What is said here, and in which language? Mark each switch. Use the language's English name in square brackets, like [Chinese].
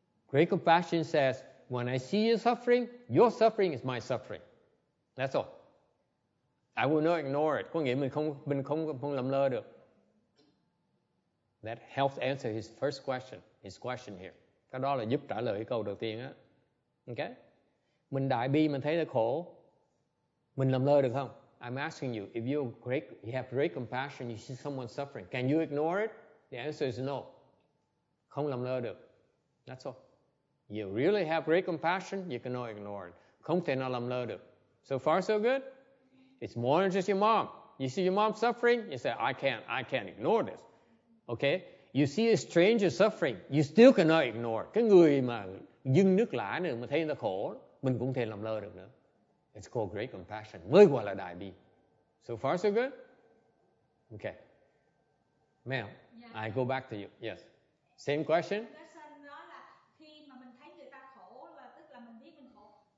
[English] Great compassion says, when I see you suffering, your suffering is my suffering. That's all. I will not ignore it. [Vietnamese] Có nghĩa mình không lầm lơ được. [English] That helps answer his first question. His question here. [Vietnamese] Cái đó là giúp trả lời cái câu đầu tiên á. [English] Okay? [Vietnamese] Mình đại bi mình thấy là khổ, mình lầm lơ được không? [English] I'm asking you, if you have great compassion, you see someone suffering, can you ignore it? The answer is no. [Vietnamese] Không làm lơ được. [English] That's all. You really have great compassion, you cannot ignore it. [Vietnamese] Không thể nào làm lơ được. [English] So far, so good? It's more than just your mom. You see your mom suffering, you say, I can't ignore this. Okay? You see a stranger suffering, you still cannot ignore it. [Vietnamese] Cái người mà dưng nước lã nữa, mà thấy người ta khổ, mình cũng thể làm lơ được nữa. [English] It's called great compassion. [Vietnamese] Mới gọi là đại bi. [English] So far, so good? Okay. Ma'am, yeah. I go back to you. Yes. Same question? [Vietnamese] Là khi mà mình thấy người ta khổ, là tức là mình biết mình khổ.